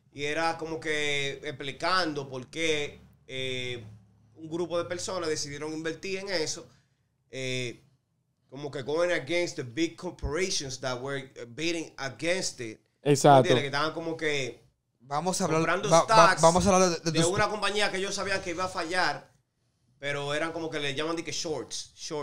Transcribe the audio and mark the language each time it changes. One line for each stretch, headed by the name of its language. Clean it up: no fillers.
Spanish: Y era como que explicando por qué un grupo de personas decidieron invertir en eso. Como que
English: going against the big corporations that were bidding against it.
Spanish: Exacto. Que estaban como que. Vamos a hablar, vamos a hablar de una compañía que ellos sabían que iba a fallar, pero eran como que le llaman de que shorts.